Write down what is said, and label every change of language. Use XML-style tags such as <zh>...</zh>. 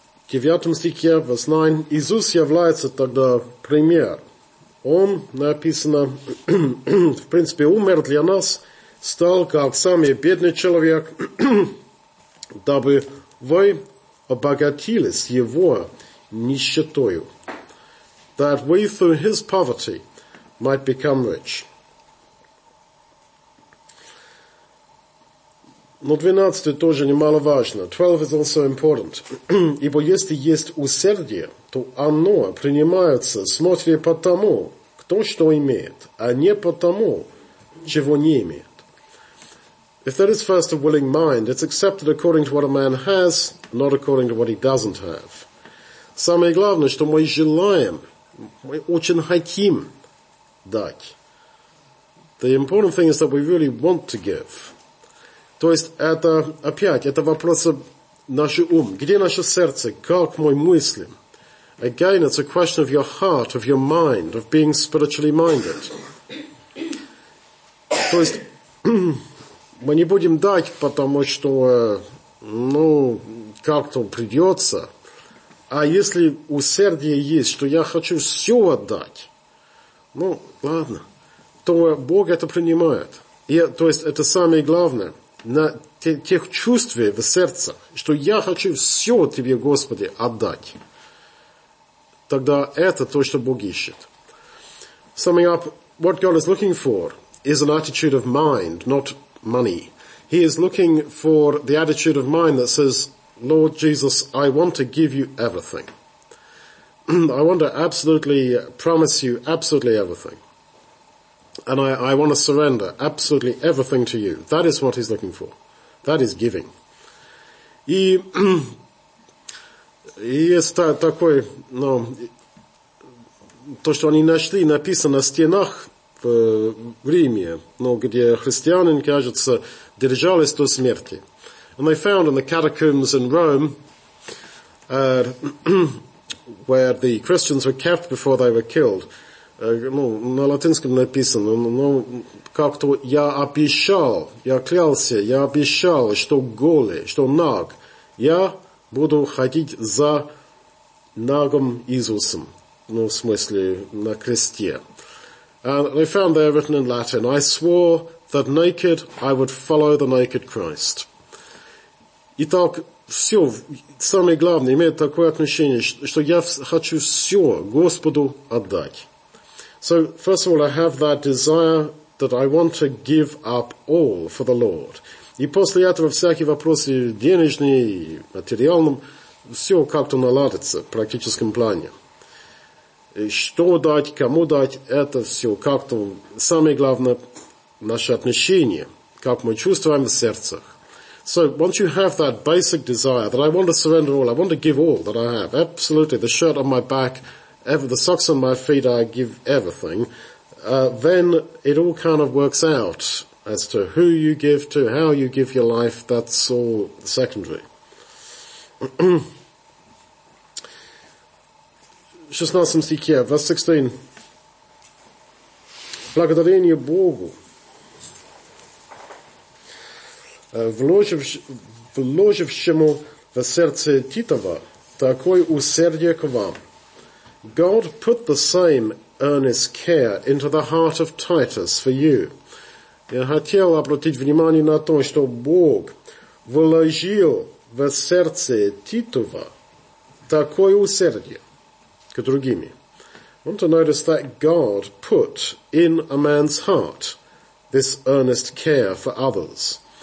<ru>Девятом стихе,</ru> <en>verse 9,</en> <ru>Иисус является тогда пример. Он, написано, в принципе, умер для нас, стал как самый бедный человек, дабы вы обогатились его нищетою,</ru> <en>that we through his poverty might become rich.</en> <ru>Но 12 тоже немаловажно.</ru> <en>12 is also important.</en> <ru>Ибо если есть усердие, то оно принимается, смотря по тому, кто что имеет, а не по тому, чего не имеет.</ru> <en>If there is first a willing mind, it's accepted according to what a man has, not according to what he doesn't have.</en> <ru>Самое главное, что мы желаем, мы очень хотим дать.</ru> <en>The important thing is that we really want to give.</en> <ru>То есть это опять, это вопрос нашего ума. Где наше сердце? Как мы мыслим?</ru> <en>Again, it's a question of your heart, of your mind, of being spiritually minded.</en> <ru>То есть мы не будем дать, потому что, ну, как-то придется. А если усердие есть, что я хочу все отдать, ну, ладно, то Бог это принимает. И, то есть это самое главное, на тех чувствах в сердце, что я хочу все тебе, Господи, отдать. Тогда это то, что Бог ищет.</ru> <en>Summing up, what God is looking for is an attitude of mind, not money. He is looking for the attitude of mind that says, Lord Jesus, I want to give you everything. I want to absolutely promise you absolutely everything. And I want to surrender absolutely everything to you. That is what he's looking for. That is giving.</en> <ru>И есть такое, ну, то, что они нашли, написано на стенах в Риме, ну, где христиане, кажется, держались до смерти.</ru> <en>And they found in the catacombs in Rome, where the Christians were kept before they were killed.</en> <ru>Ну, на латинском написано, ну, как-то я обещал, я клялся, я обещал, что голый, что наг, я буду ходить за нагом Иисусом. Ну, в смысле, на кресте.</ru> <en>And they found there written in Latin, I swore that naked I would follow the naked Christ.</en> <ru>Итак, все, самое главное, имеет такое отношение, что я хочу все Господу отдать.</ru> <en>So, first of all, I have that desire that I want to give up all for the Lord.</en> <ru>И после этого всякие вопросы денежные, материальные, все как-то наладится в практическом плане. Что дать, кому дать, это все как-то, самое главное, наше отношение, как мы чувствуем в сердцах.</ru> <en>So once you have that basic desire that I want to surrender all, I want to give all that I have, absolutely, the shirt on my back, the socks on my feet, I give everything, then it all kind of works out as to who you give to, how you give your life, that's all secondary.</en> <ru>16 стихе,</ru> <en>verse 16.</en> <ru>Благодарение Богу. Вложившему в сердце Титова такое усердие к вам.</ru> <en>God put the same earnest care into the heart of Titus for you.</en> <ru>Я хотел обратить внимание на то, что Бог вложил в сердце Титова такое усердие к другим.</ru> <en>I want to notice that God put in a man's heart this earnest care for others.</en>